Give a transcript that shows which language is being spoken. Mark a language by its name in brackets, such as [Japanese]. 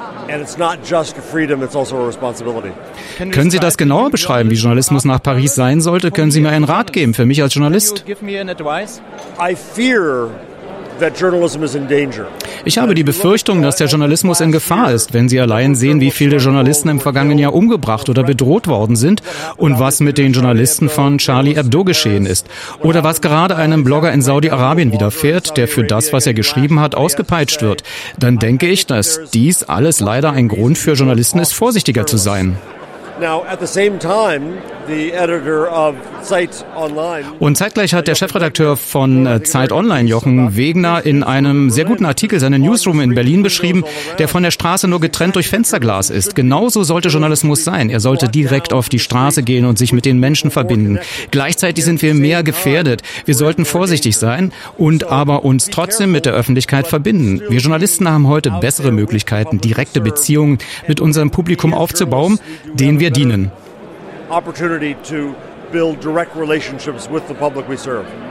[English] And it's not just freedom, it's also a responsibility. [German] Können Sie das genauer beschreiben, wie Journalismus nach Paris sein sollte? Können Sie mir einen Rat geben für mich als Journalist? [English] I fear that journalism is in danger. [German] Ich habe die Befürchtung, dass der Journalismus in Gefahr ist, wenn Sie allein sehen, wie viele Journalisten im vergangenen Jahr umgebracht oder bedroht worden sind und was mit den Journalisten von Charlie Hebdo geschehen ist oder was gerade einem Blogger in Saudi-Arabien widerfährt, der für das, was er geschrieben hat, ausgepeitscht wird, dann denke ich, dass dies alles leider ein Grund für Journalisten ist, vorsichtiger zu sein. [English] Now, at the same time, the editor of Zeit Online. [German] Und zeitgleich hat der Chefredakteur von Zeit Online, Jochen Wegner, in einem sehr guten Artikel seine Newsroom in Berlin beschrieben, der von der Straße nur getrennt durch Fensterglas ist. Genauso sollte Journalismus sein. Er sollte direkt auf die Straße gehen und sich mit den Menschen verbinden. Gleichzeitig sind wir mehr gefährdet. Wir sollten vorsichtig sein und aber uns trotzdem mit der Öffentlichkeit verbinden. Wir Journalisten haben heute bessere Möglichkeiten, direkte Beziehungen mit unserem Publikum aufzubauen, denen wir dienen. [English] Opportunity to build direct relationships with the public we serve.